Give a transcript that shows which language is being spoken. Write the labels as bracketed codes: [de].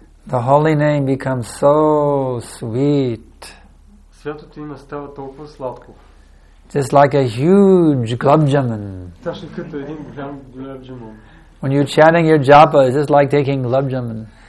[en] The holy name becomes so sweet. [bg] Святото име става толкова сладко. [en] Just like a huge gulab jamun. [bg] Точно като един голям gulab jamun. [en] When you're chanting your japa, it's just like taking gulab jamun.